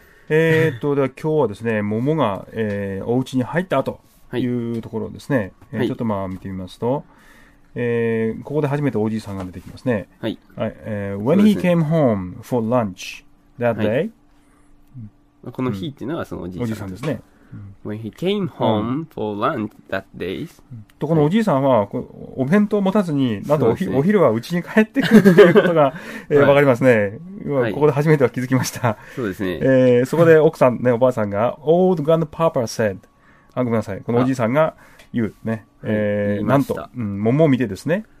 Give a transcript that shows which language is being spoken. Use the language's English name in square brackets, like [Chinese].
[Japanese] では今日はですね桃が、お家に入ったというところですね、はい。ちょっとまあ見てみますと、ここで初めておじいさんが出てきますね。はい。 [English] はい When he came home for lunch that day、はい。 [Japanese] この日っていうのはそのおじいさんですね。 [English] When he came home for lunch that day. [Japanese] とこのおじいさんはお弁当を持たずに、なんとお昼は家に帰ってくるということがわかりますね。ここで初めては気づきました。そうですね。そこで奥さんね、おばあさんが、 [English] Old Grandpapa said. [Japanese] あ、ごめんなさい。このおじいさんが言うね。なんと、桃を見てですね。